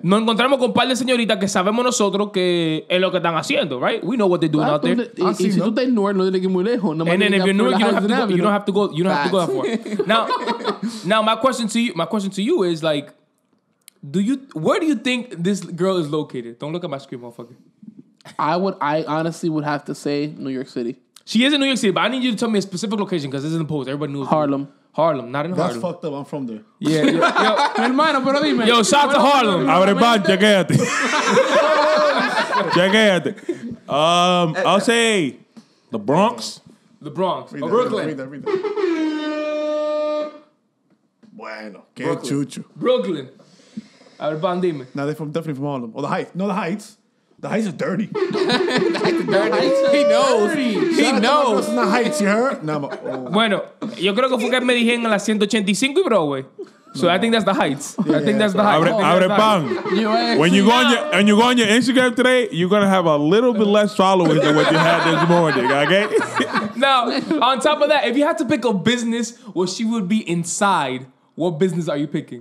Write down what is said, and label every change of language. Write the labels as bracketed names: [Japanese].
[Spanish] Nos encontramos con un par de señoritas que sabemos nosotros que es lo que están haciendo, [English] right? We know what they're doing out there. [Spanish] Y si tú estás en Newark, no tienes que ir muy lejos. [English] And then if you're Newark, you don't have to go that far. Now, my question to you is like, where do you think this girl is located? Don't look at my screen, motherfucker. I honestly would have to say New York City. She is in New York City, but I need you to tell me a specific location because this is in the post. Everybody knows Harlem. Harlem, not in That's Harlem. That's fucked up. I'm from there. Yeah. Yo, [Spanish] hermano, pero dime. [English] Yo, shout out to Harlem. [Spanish] Abrebat, chequeate. Chequeate. [English] I'll say the Bronx. The Bronx. Read that, Brooklyn. Read that. [Spanish] Bueno. Que chucho. Brooklyn. Abrebat, dime. [English] No, they're definitely from Harlem. Or the Heights. No, the Heights. The Heights are dirty. He knows. Dirty. He knows. In the Heights, you heard? No, [Spanish] Bueno, yo creo que fue que me dije en la 185 y Broadway. [English] So no. I think that's the Heights. Yeah, I think that's the Heights. Abrebang. When you go on your Instagram today, you're going to have a little bit less followers than what you had this morning, okay? Now, on top of that, if you had to pick a business where she would be inside, what business are you picking?